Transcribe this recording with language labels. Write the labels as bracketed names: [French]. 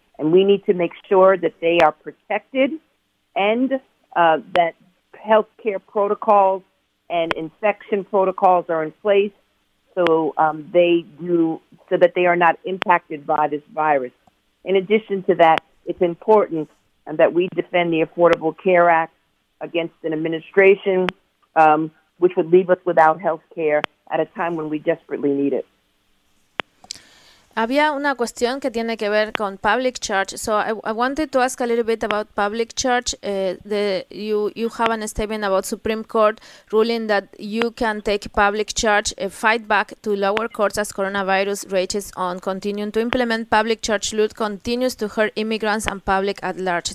[English] And we need to make sure that they are protected and that healthcare protocols and infection protocols are in place so that they are not impacted by this virus. In addition to that, it's important and that we defend the Affordable Care Act against an administration which would leave us without health care at a time when we desperately need it. [Spanish] Había una cuestión que tiene que ver con public charge. [English] So I wanted to ask a little bit about public charge. You have a statement about Supreme Court ruling that you can take public charge, fight back to lower courts as coronavirus rages on, continuing to implement public charge loot continues to hurt immigrants and public at large.